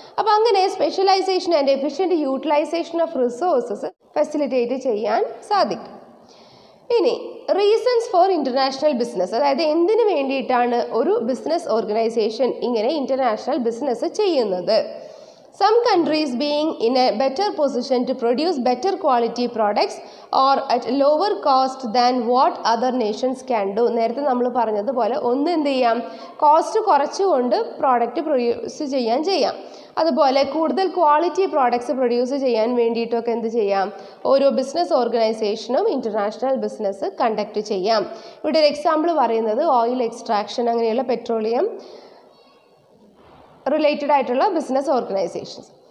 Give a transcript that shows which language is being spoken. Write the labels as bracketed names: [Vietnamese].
[Malayalam] അപ്പോൾ അങ്ങനെ [English] specialisation and efficient utilisation of resources [Malayalam] facilitate ചെയ്യാൻ സാധിക്കും. ഇനി [English] reasons for international business, [Malayalam] അതായത് എന്തിനു വേണ്ടിയിട്ടാണ് ഒരു ബിസിനസ് ഓർഗനൈസേഷൻ ഇങ്ങനെ ഇൻ്റർനാഷണൽ ബിസിനസ് ചെയ്യുന്നത്. [English] Some countries being in a better position to produce better quality products or at lower cost than what other nations can do. [Malayalam] നേരത്തെ നമ്മൾ പറഞ്ഞതുപോലെ ഒന്ന് എന്ത് ചെയ്യാം, കോസ്റ്റ് കുറച്ചുകൊണ്ട് പ്രോഡക്റ്റ് പ്രൊഡ്യൂസ് ചെയ്യാൻ ചെയ്യാം. അതുപോലെ കൂടുതൽ ക്വാളിറ്റി പ്രോഡക്ട്സ് പ്രൊഡ്യൂസ് ചെയ്യാൻ വേണ്ടിയിട്ടൊക്കെ എന്ത് ചെയ്യാം, ഓരോ ബിസിനസ് ഓർഗനൈസേഷനും ഇൻ്റർനാഷണൽ ബിസിനസ് കണ്ടക്ട് ചെയ്യാം. ഇവിടെ ഒരു എക്സാമ്പിൾ പറയുന്നത് ഓയിൽ എക്സ്ട്രാക്ഷൻ, അങ്ങനെയുള്ള പെട്രോളിയം റിലേറ്റഡ് ആയിട്ടുള്ള ബിസിനസ് ഓർഗനൈസേഷൻസ്.